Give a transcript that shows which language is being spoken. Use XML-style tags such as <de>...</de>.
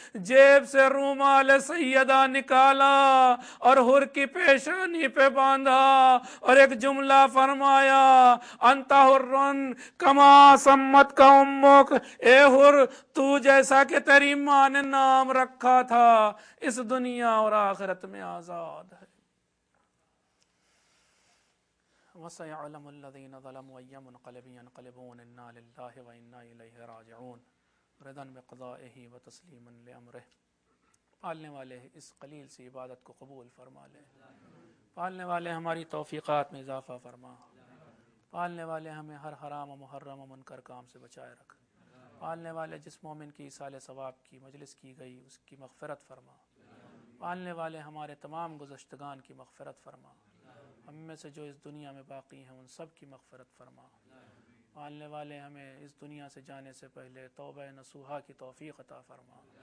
<ur>جیب سے رومال سیدہ نکالا اور حر کی پیشانی پہ باندھا اور ایک جملہ فرمایا,</ur> <ar>انت حرن کما سمت کا امک,</ar> <ur>اے حر تو جیسا کہ تیری ماں نے نام رکھا تھا اس دنیا اور آخرت میں آزاد ہے.</ur> <ar>وسيعلم الذين ظلموا اي منقلب ينقلبون انا لله وانا اليه راجعون رضا بقضائه وتسليما لامره.</ar> <ur>پالنے والے اس قلیل سی عبادت کو قبول فرما لے, پالنے والے ہماری توفیقات میں اضافہ فرما, پالنے والے ہمیں ہر حرام و محرم و منکر کام سے بچائے رکھ, پالنے والے جس مومن کی ایصال ثواب کی مجلس کی گئی اس کی مغفرت فرما, پالنے والے ہمارے تمام گزشتگان کی مغفرت فرما, ہم میں سے جو اس دنیا میں باقی ہیں ان سب کی مغفرت فرما, پالنے والے ہمیں اس دنیا سے جانے سے پہلے توبہ نصوحہ کی توفیق عطا فرما.</ur>